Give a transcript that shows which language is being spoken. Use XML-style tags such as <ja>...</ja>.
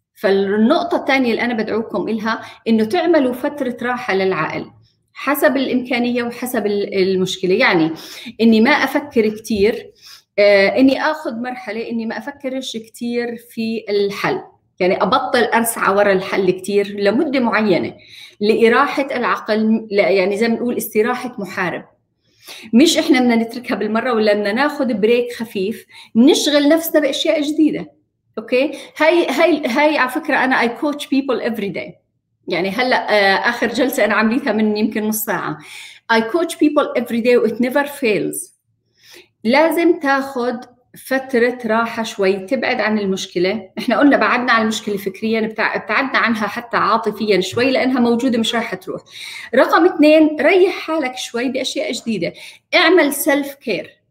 <ar>فالنقطة الثانية اللي أنا بدعوكم إلها إنه تعملوا فترة راحة للعقل حسب الإمكانية وحسب المشكلة، يعني إني ما أفكر كتير، إني أخذ مرحلة إني ما أفكرش كتير في الحل، يعني أبطل أرسع وراء الحل كتير لمدة معينة لإراحة العقل، يعني زي ما نقول استراحة محارب. مش إحنا بدنا نتركها بالمرة ولا بدنا ناخد بريك خفيف، نشغل نفسنا بأشياء جديدة. أوكي، هاي هاي هاي على فكرة أنا I coach people every day، يعني هلأ آخر جلسة أنا عمليتها من يمكن نص ساعة.</ar> <en>I coach people every day it never fails.</en> <ar>لازم تاخد فترة راحة شوي، تبعد عن المشكلة. احنا قلنا بعدنا عن المشكلة فكريا، ابتعدنا عنها حتى عاطفيا شوي لانها موجودة مش راح تروح. رقم اثنين، ريح حالك شوي باشياء جديدة، اعمل سيلف كير.</ar>